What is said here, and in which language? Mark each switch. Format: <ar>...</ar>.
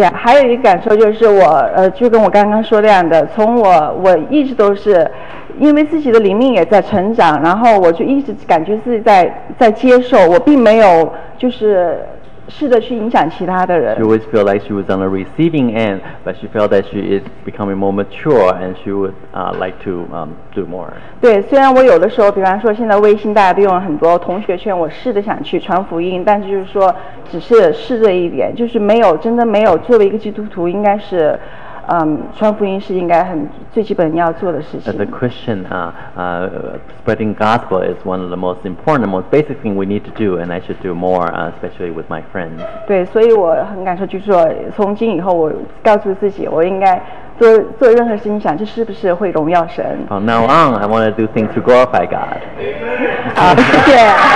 <zh>Yeah, 还有一个感受就是我就跟我刚刚说那样的，从我一直都是因为自己的灵命也在成长，然后我就一直感觉自己在接受，我并没有就是。试着去影响其他的人。</zh> <en>She always felt like she was on the receiving end, but she felt that she is becoming more mature and she would like to do more.</en> <zh>对，虽然我有的时候，比方说现在微信大家都用很多，同学圈我试着想去传福音，但是就是说只是试着一点，就是没有真的没有作为一个基督徒应该是。传福音是应该很最基本要做的事情。</zh> <en>As a Christian, spreading gospel is one of the most important, most basic thing we need to do, and I should do more, especially with my friends.</en> <zh>对，所以我很感受，就是说，从今以后，我告诉自己，我应该做任何事情，想这是不是会荣耀神。</zh> <en>From now on, I want to do things to glorify God.</en> <zh>好，谢谢。</zh>